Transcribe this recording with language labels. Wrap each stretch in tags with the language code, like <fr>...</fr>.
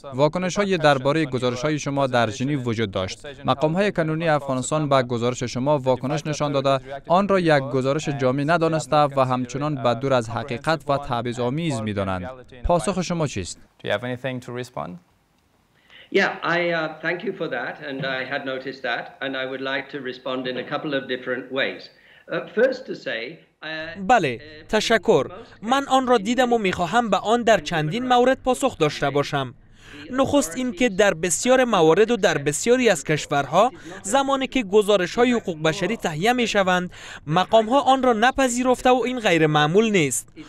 <fa>واکنش های درباره گزارش های شما در ژنو وجود داشت. مقام های کنونی افغانستان به گزارش شما واکنش نشان داده، آن را یک گزارش جامع ندانسته و همچنان به دور از حقیقت و تعبیض آمیز می دانند. پاسخ شما چیست؟</fa> <en>Thank you for that, and I had noticed that, and I would like to respond in a couple of different ways. First to say,</en> <fa>بله، تشکر. من آن را دیدم و می‌خواهم به آن در چندین مورد پاسخ داشته باشم. نخست این که در بسیار موارد و در بسیاری از کشورها زمانی که گزارش‌های حقوق بشری تهیه می‌شوند، مقام‌ها آن را نپذیرفته و این غیر معمول نیست.</fa>